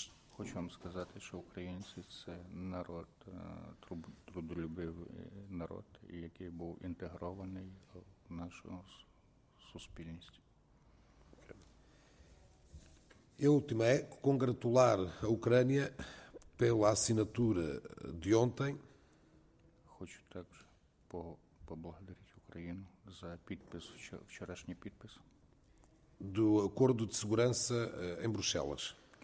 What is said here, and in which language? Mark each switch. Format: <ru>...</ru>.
<uk>Хочу вам сказати, що українці – це народ, трудолюбивий народ, який був інтегрований в нашу суспільність.</uk> <pt>E última é congratular a Ucrânia pela assinatura de ontem.</pt> <uk>Хочу також поблагодарити Україну за підпис, вчорашній підпис. До Акорду</uk> <pt>de Segurança em Bruxelas.</pt>